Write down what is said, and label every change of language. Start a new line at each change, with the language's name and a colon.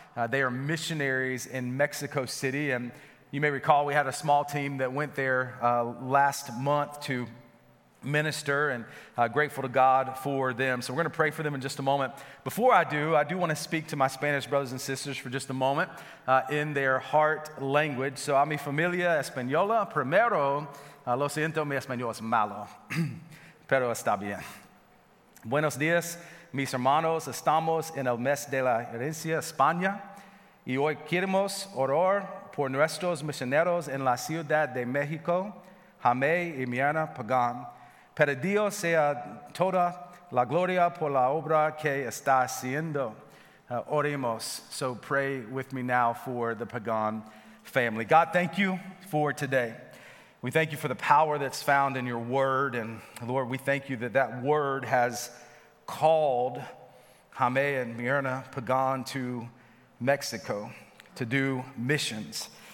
English: They are missionaries in Mexico City, and you may recall we had a small team that went there last month to minister, and grateful to God for them. So we're going to pray for them in just a moment. Before I do want to speak to my Spanish brothers and sisters for just a moment in their heart language.
Spanish: So a mi familia española, primero, lo siento, mi español es malo, pero está bien. Buenos días, mis hermanos, estamos en el mes de la herencia España, y hoy queremos orar por nuestros misioneros en la Ciudad de México, Jaime y Mirna Pagan. Para Dios sea toda la gloria por la obra que está haciendo. Oremos.
English: So pray with me now for the Pagan family. God, thank you for today. We thank you for the power that's found in your word. And Lord, we thank you that that word has called Jaime and Mirna Pagan to Mexico to do missions.